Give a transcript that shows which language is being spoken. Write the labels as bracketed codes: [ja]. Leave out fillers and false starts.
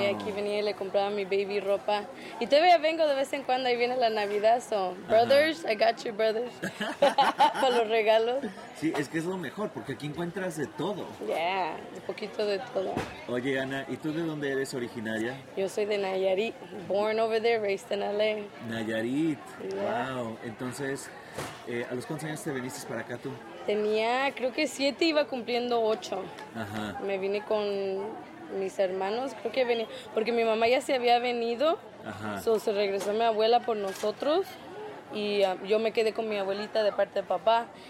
[es] Y aquí venía y le compraba mi baby ropa. Y todavía vengo de vez en cuando, ahí viene la Navidad, [en] so brothers, uh-huh. I got you, brothers. [es] Para los regalos. Sí, es que es lo mejor, porque aquí encuentras de todo. Yeah, un poquito de todo. Oye, Ana, ¿y tú de dónde eres originaria? Yo soy de Nayarit, [en] born over there, raised in LA. [es] Nayarit. Yeah. Wow. Entonces, ¿a los cuántos años te viniste para acá tú? Tenía, creo que 7, iba cumpliendo 8. Ajá. Me vine con mis hermanos, creo que venía, porque mi mamá ya se había venido. Ajá. So, se regresó mi abuela por nosotros y yo me quedé con mi abuelita de parte de papá.